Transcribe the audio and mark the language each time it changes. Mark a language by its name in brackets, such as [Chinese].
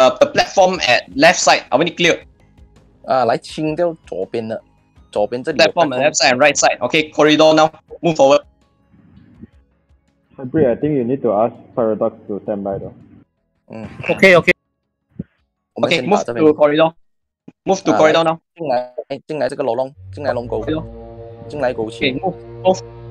[English] The platform at left side, are we clear? [Chinese] 来清掉左边的，左边这里。 [English] Platform at left side and right side. Okay, corridor now. Move forward. Henry, I think you need to ask Paradox to stand by though. Okay, okay. Okay, move to corridor. Move to corridor now. [Chinese] 进来这个楼洞，进来龙沟，进来沟前。 [English] Okay, move